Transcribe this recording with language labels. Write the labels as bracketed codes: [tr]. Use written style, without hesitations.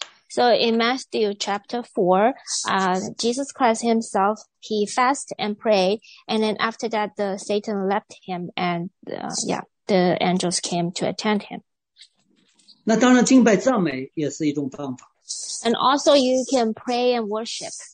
[en] So in Matthew chapter 4, Jesus Christ himself, he fasted and prayed, and then after that, the Satan left him, and the angels came to attend him. [zh] 那当然敬拜赞美也是一种方法。 [en] And also you can pray and worship.